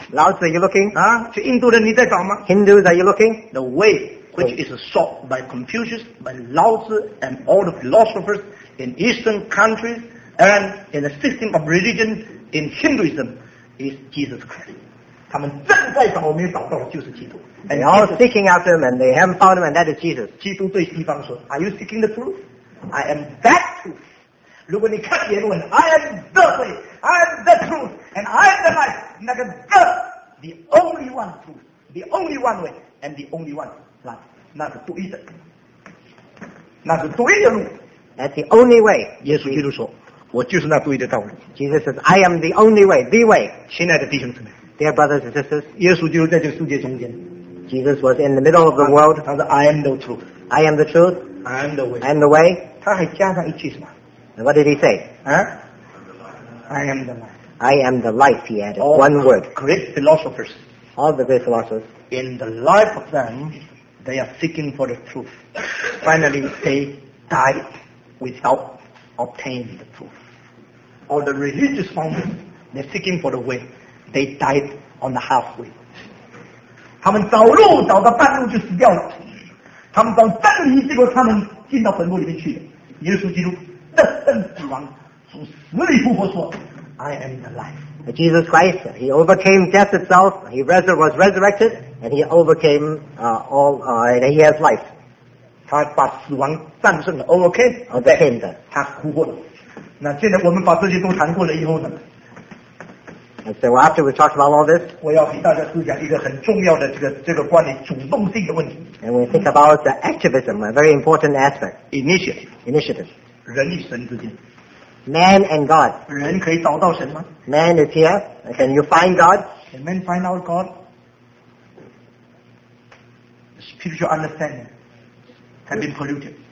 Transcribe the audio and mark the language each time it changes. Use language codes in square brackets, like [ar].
[zh] 老子 [en] ，you looking? [zh] 啊，去印度人，你在找吗 [en] ？Hindus, are you looking? The way which is sought by Confucius, by Lao Tzu, and all the philosophers in Eastern countries and in the system of religion in Hinduism is Jesus Christ. [zh] 他们正在找我们找到的就是基督。 [en] And all seeking after him and they haven't found him and that is Jesus. [zh] 基督对西方说 [en] Are you seeking the truth? I am that truth. [zh] 如果你看言论 [en] I am the way, I am the truth, and I am the life. [zh] 那个 [en] the only one truth, the only one way, and the only one life. [zh] 那是独一的。那是独一的路。 [en] That's the only way. [zh] 耶稣基督说我就是那独一的道路。 [en] Jesus says, I am the only way, the way. [zh] 亲爱的弟兄姊妹。 [en] Dear brothers and sisters, [zh] 耶稣就在这个世界中间。 [en] Jesus was in the middle of the world. [zh] 他说 [en] I am the truth. I am the truth. I am the way. I am the way. [zh] 他还加上一句什么？ [en] What did he say? I am the light. I am the light. He added one word. Great philosophers. All the great philosophers. In the life of them, they are seeking for the truth. Finally, they died without obtaining the truth. All the religious founders, they're seeking for the way. They died on the halfway. [zh] 他们找路找到半路就死掉了。他们找真理，结果他们进到坟墓里面去了。耶稣基督得胜死亡，从死里复活说 [en] I am the life. Jesus Christ, he overcame death itself, he was resurrected, and he overcame all, and he has life. [zh] 他把死亡战胜了 [en] overcame [zh] 的，他复活了。那现在我们把这些都谈过了以后呢？ [en] And so after we talk about all this, [zh] 我要给大家思想一个很重要的这个关于主动性的问题。 [en] And we think about the activism, a very important aspect. Initiative. [zh] 人与神之间。 [en] Man and God. [zh] 人可以找到神吗 [en] ？Man is here. Can you find God? Can man find out God? Spiritual understanding has been polluted.